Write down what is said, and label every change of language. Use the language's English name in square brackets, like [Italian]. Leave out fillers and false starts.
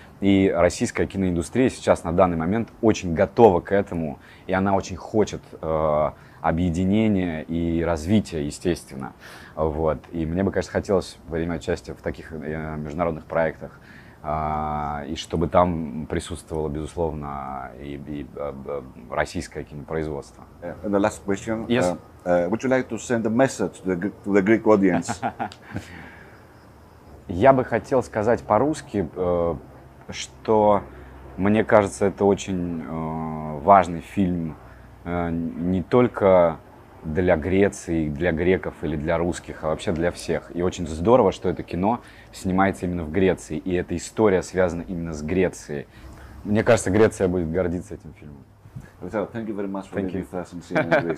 [Russian] И российская киноиндустрия сейчас на данный момент очень готова к этому, и она очень хочет объединения и развития, естественно. Вот. И мне бы, конечно, хотелось принимать участие в таких международных проектах, и чтобы там присутствовало, безусловно, и российское кинопроизводство. [English] And the last question. Yes. Would you like to send a message to the Greek audience? [Russian] Я бы хотел сказать по-русски, что мне кажется, это очень важный фильм не только для Греции, для греков или для русских, а вообще для всех. И очень здорово, что это кино снимается именно в Греции, и эта история связана именно с Грецией. Мне кажется, Греция будет гордиться этим фильмом. [English] Thank you very much for being with us and seeing